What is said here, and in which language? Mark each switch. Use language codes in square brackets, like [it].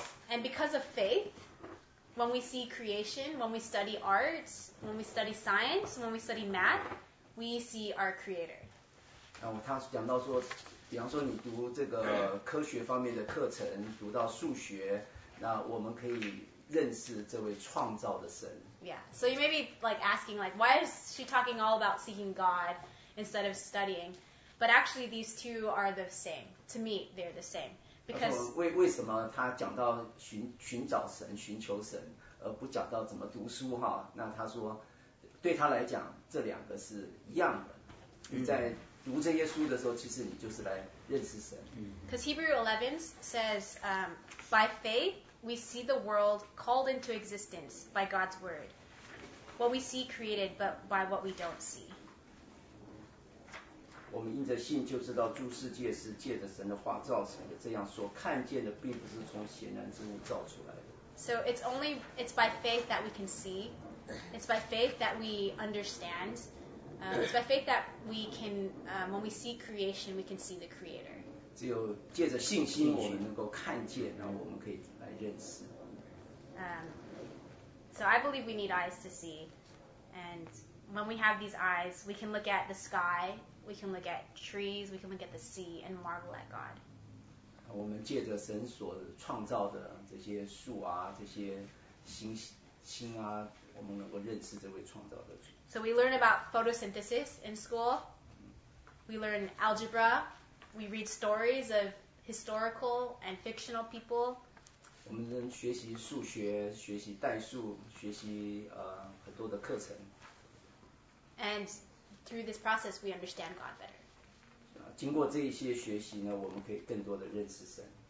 [en] And because of faith,when we see creation, when we study art, when we study science, when we study math,We see our creator. [zh] 然后他讲到说，比方说你读这个科学方面的课程，读到数学，那我们可以认识这位创造的神。 [en] Yeah, so you may be like asking like, why is she talking all about seeking God instead of studying? But actually, these two are the same. To me, they're the same. Because [zh] 为什么他讲到寻找神、寻求神，而不讲到怎么读书哈？那他说。对他来讲，这两个是一样的。你在读这些书的时候，其实你就是来认识神。 [en] Because Hebrew 11 says, by faith we see the world called into existence by God's word. What we see created, but by what we don't see. [zh] 我们因着信就知道诸世界是借着神的话造成的。这样所看见的，并不是从显然之物造出来的。 [en] So it's by faith that we can see. It's by faith that we understand. It's by faith that we can, when we see creation, we can see the Creator. [zh] 只有借着信心，我们能够看见，然后我们可以来认识。 [en] So I believe we need eyes to see, and when we have these eyes, we can look at the sky, we can look at trees, we can look at the sea, and marvel at God. [zh] 我们借着神所创造的这些树啊，这些星星啊，我们能够认识这位创造的主。 [en] So we learn about photosynthesis in school. We learn algebra. We read stories of historical and fictional people. [zh] 我们能学习数学，学习代数，学习很多的课程。 [en] And through this process, we understand God better. [zh] 经过这些学习呢，我们可以更多的认识神。